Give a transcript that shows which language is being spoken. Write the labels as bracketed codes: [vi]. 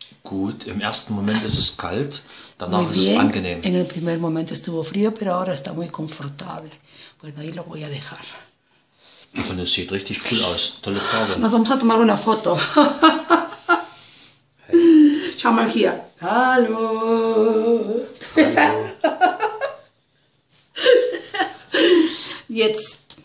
[de] Gut, im ersten Moment ist es kalt, danach ist es angenehm. [es] En el primer momento estuvo frío, pero ahora está muy confortable. Bueno, ahí lo voy a dejar. [de] Und es sieht richtig cool aus, tolle Farbe. [es] Nos vamos a tomar una foto. [de] Hey. Schau mal hier. Hallo. Hallo. Jetzt.